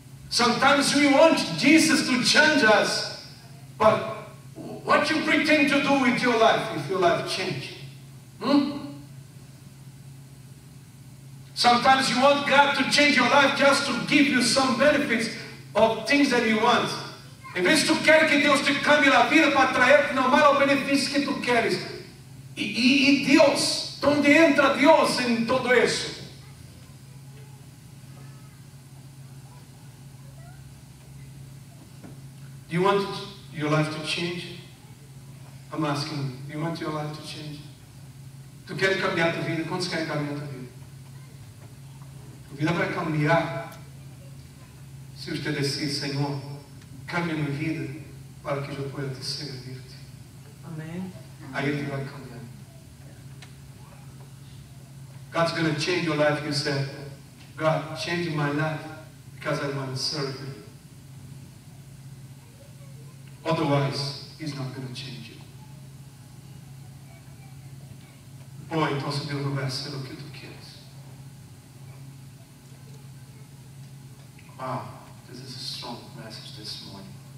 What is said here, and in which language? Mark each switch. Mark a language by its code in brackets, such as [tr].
[en] Sometimes we want Jesus to change us, but what you pretend to do with your life if your life changes? Sometimes you want God to change your life just to give you some benefits of things that you want. [pt] Em vez de tu quer que Deus te cambie a vida para trazer no mal o benefício que tu queres. E Deus, onde entra Deus em tudo isso? [en] Do you want your life to change? I'm asking, do you want your life to change? [pt] Tu quer cambiar tua vida? Quantos querem cambiar tua vida? Tua vida vai cambiar se você decide, Senhor, cambia minha vida para que eu possa te servir-te. Amém. Aí ele vai cambiar. [en] God's going to change your life, you said. God, change my life because I want to serve you. Otherwise, he's not going to change. [pt] Ou então se Deus não vai ser o que tu queres. [en] Wow, this is a strong message this morning.